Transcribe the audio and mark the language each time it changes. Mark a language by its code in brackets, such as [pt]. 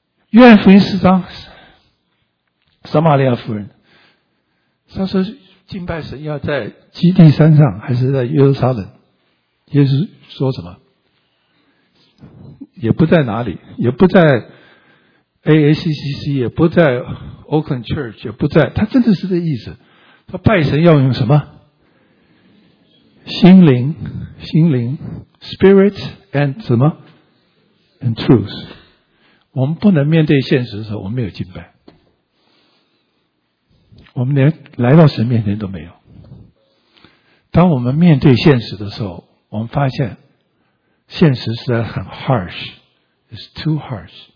[zh] 约翰福音四章，撒玛利亚妇人，他说敬拜神要在基地山上还是在耶路撒冷？耶稣说什么？也不在哪里，也不在 AACCC， 也不在 Oakland Church， 也不在，他真的是这意思。他拜神要用什么？心灵 [en] Spirit and [zh] 什么 [en] and truth。 [zh] 我们不能面对现实的时候，我们没有敬拜，我们连来到神面前都没有。当我们面对现实的时候，我们发现现实实在很 [en] harsh， it's too harsh。